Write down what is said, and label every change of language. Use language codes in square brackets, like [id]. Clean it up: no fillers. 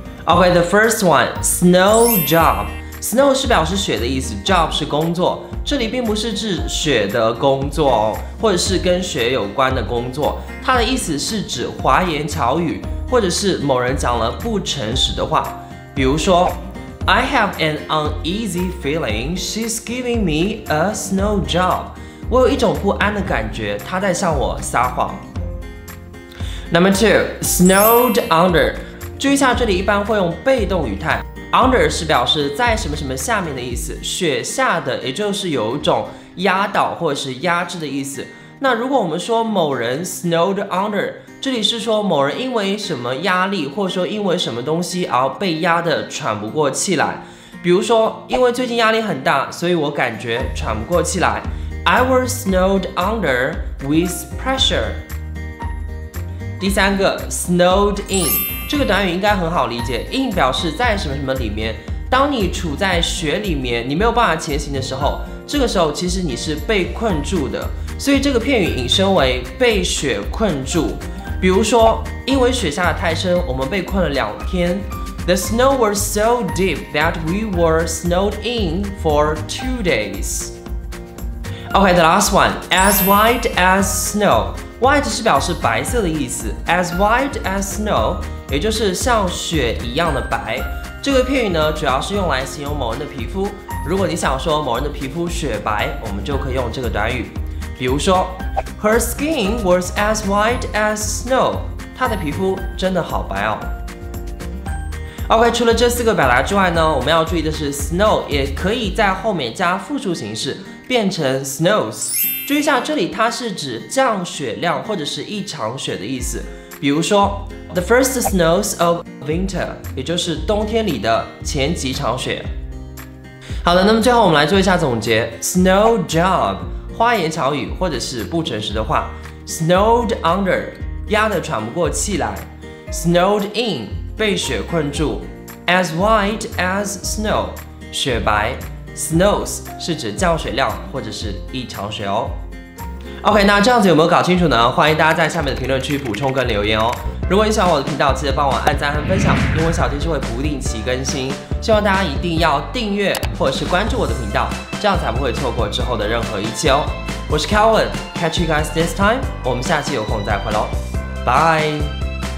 [en] OK， the first one， snow job。 [zh] Snow 是表示雪的意思， job 是工作，这里并不是指雪的工作哦，或者是跟雪有关的工作，它的意思是指滑言巧语，或者是某人讲了不诚实的话。比如说 [en] I have an uneasy feeling she's giving me a snow job， [zh] 我有一种不安的感觉，她在向我撒谎。 [en] Number two， snowed under， [zh] 注意一下，这里一般会用被动语态。 Under 是表示在什么什么下面的意思，雪下的，也就是有一种压倒或者是压制的意思。那如果我们说某人 snowed under， 这里是说某人因为什么压力，或者说因为什么东西而被压得喘不过气来。比如说，因为最近压力很大，所以我感觉喘不过气来。 [en] I was snowed under with pressure。 [zh] 第三个 snowed in。这个短语应该很好理解， in 表示在什么什么里面，当你处在雪里面，你没有办法前行的时候，这个时候其实你是被困住的，所以这个片语引申为被雪困住。比如说因为雪下的太深，我们被困了两天。 [en] The snow was so deep that we were snowed in for 2 days. OK, the last one, as white as snow. [zh] White 是表示白色的意思， as white as snow，也就是像雪一样的白。这个片语呢，主要是用来形容某人的皮肤。如果你想说某人的皮肤雪白，我们就可以用这个短语。比如说 [en] Her skin was as white as snow， [zh] 她的皮肤真的好白哦。 OK， 除了这四个表达之外呢，我们要注意的是 snow 也可以在后面加复数形式，变成 snows。注意一下，这里它是指降雪量或者是一场雪的意思。比如说 [en] The first snows of winter， [zh] 也就是冬天里的前几场雪。好的，那么最后我们来做一下总结。Snow job， 花言巧语或者是不诚实的话。 Snowed under， 压得喘不过气来。Snowed in， 被雪困住。 [en] As white as snow， 雪白。 [zh] Snows 是指降雪量或者是一场雪哦。 OK， 那这样子有没有搞清楚呢？欢迎大家在下面的评论区补充跟留言哦。如果你喜欢我的频道，记得帮我按赞和分享，因为小天是会不定期更新，希望大家一定要订阅或者是关注我的频道，这样才不会错过之后的任何一切哦。我是 Calvin， [en] catch you guys next time， [zh] 我们下期有空再会咯， Bye。